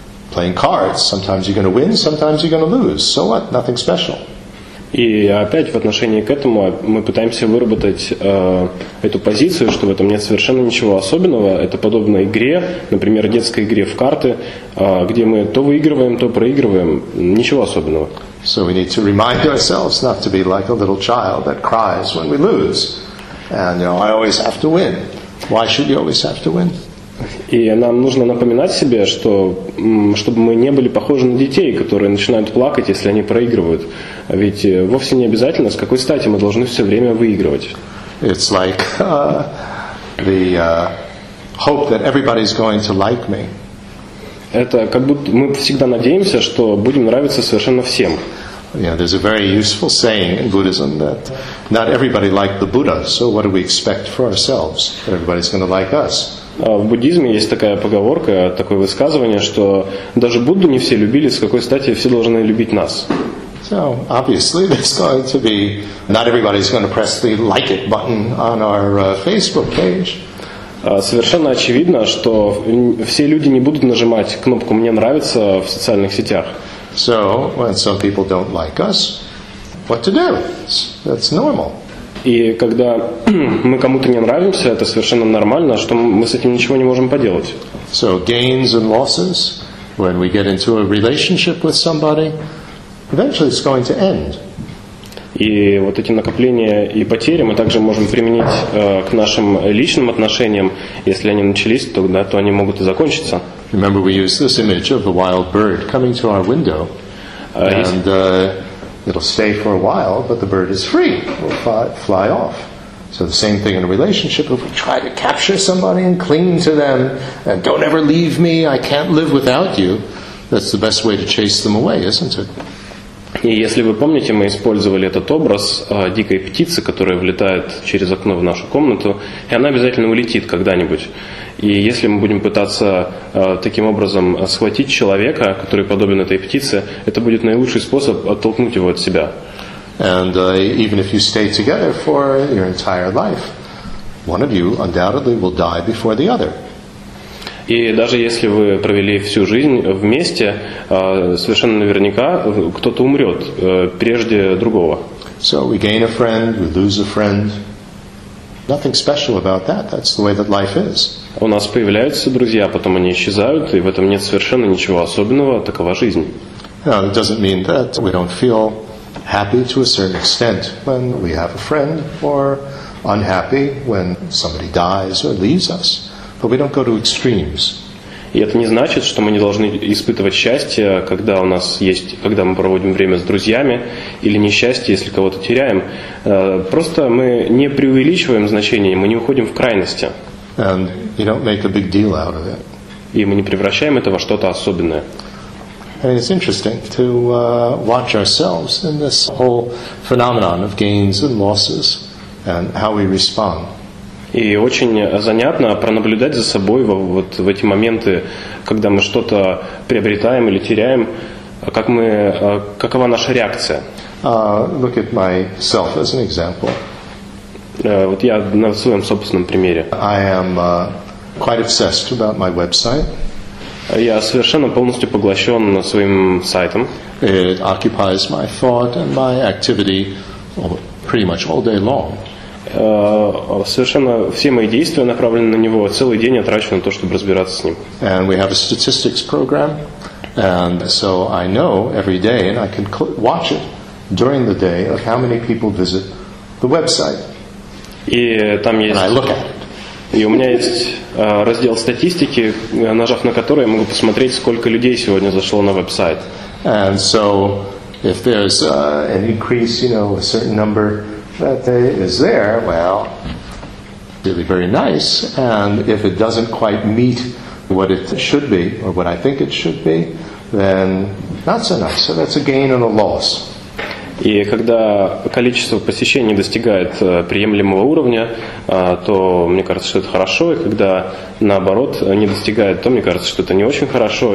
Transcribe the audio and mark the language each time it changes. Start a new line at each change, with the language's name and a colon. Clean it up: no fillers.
English: Playing cards, sometimes you're going to win, sometimes you're going to lose. So what? Nothing special.
Russian: И опять в отношении к этому мы пытаемся выработать эту позицию, что в этом нет совершенно ничего особенного. Это подобно игре, например, детской игре в карты, где мы то выигрываем, то проигрываем. Ничего особенного.
English: So we need to remind ourselves not to be like a little child that cries when we lose. And, you know, I always have to win. Why should you always have to win?
Russian: И нам нужно напоминать себе, что, чтобы мы не были похожи на детей, которые начинают плакать, если они проигрывают. Ведь вовсе не обязательно, с какой стати мы должны все время выигрывать.
English: It's like hope that everybody's going to like me.
Russian: Это как будто мы всегда надеемся, что будем нравиться совершенно всем.
English: Yeah, there's a very useful saying in Buddhism that not everybody liked the Buddha, so what do we expect for ourselves? That everybody's going to like us.
Russian: В буддизме есть такая поговорка, такое высказывание, что даже Будду не все любили, с какой стати все должны любить нас.
English: So, obviously, there's going to be... Not everybody's going to press the like it button on our Facebook page.
Russian: Совершенно очевидно, что все люди не будут нажимать кнопку «Мне нравится» в социальных сетях.
English: So, when some people don't like us, what to do? That's normal.
Russian: И когда мы кому-то не нравимся, это совершенно нормально, что мы с этим ничего не можем поделать.
English: So gains and losses, when we get into a relationship with somebody, eventually it's going to end.
Russian: И вот эти накопления и потери мы также можем применить к нашим личным отношениям. Если они начались, тогда то они могут и закончиться.
English: Remember, we use this image of a wild bird coming to our window, and it'll stay for a while, but the bird is free. It'll fly off. So the same thing in a relationship, if we try to capture somebody and cling to them, and don't ever leave me, I can't live without you, that's the best way to chase them away, isn't it?
Russian: И если вы помните, мы использовали этот образ дикой птицы, которая влетает через окно в нашу комнату, и она обязательно улетит когда-нибудь. И если мы будем пытаться таким образом схватить человека, который подобен этой птице, это будет наилучший способ оттолкнуть его от себя.
English: And even if you stay together for your entire life, one of you undoubtedly will die before the other.
Russian: И даже если вы провели всю жизнь вместе, совершенно наверняка кто-то умрет прежде другого.
English: So we gain a friend, we lose a friend. Nothing special about that. That's the way that life is.
Russian: У нас появляются друзья, потом они исчезают, и в этом нет совершенно ничего особенного. Такова жизнь.
English: Now, it doesn't mean that we don't feel happy to a certain extent when we have a friend, or unhappy when somebody dies or leaves us. But we don't go to extremes.
Russian: И это не значит, что мы не должны испытывать счастье, когда у нас есть, когда мы проводим время с друзьями, или несчастье, если кого-то теряем. Просто мы не преувеличиваем значение, мы не уходим в крайности.
English: And you don't make a big deal out of it.
Russian: И мы не превращаем это во что-то особенное.
English: And it's interesting to watch ourselves in this whole phenomenon of gains and losses and how we respond.
Russian: И очень занятно пронаблюдать за собой вот в эти моменты, когда мы что-то приобретаем или теряем, как мы, какова наша реакция.
English: Look at myself as an example.
Russian: Вот я на своем собственном примере.
English: I am quite obsessed about my website.
Russian: Я совершенно полностью поглощен своим сайтом.
English: It occupies my thought and my activity pretty much all day long.
Russian: Совершенно все мои действия направлены на него, целый день я трачу на то, чтобы разбираться с ним.
English: And we have a statistics program, and so I know every day, and I can watch it during the day, of how many people visit the website.
Russian: И там есть...
English: And I look at it.
Russian: И у меня есть раздел статистики, нажав на который, я могу посмотреть, сколько людей сегодня зашло на веб-сайт.
English: And so, if there's an increase, you know, a certain number... That day is there, well, really very nice, and if it doesn't quite meet what it should be, or what I think it should be, then not so nice. So that's a gain and a loss.
Russian: И когда количество посещений достигает приемлемого уровня, то мне кажется, что это хорошо, и когда наоборот не достигает, то мне кажется, что это не очень хорошо.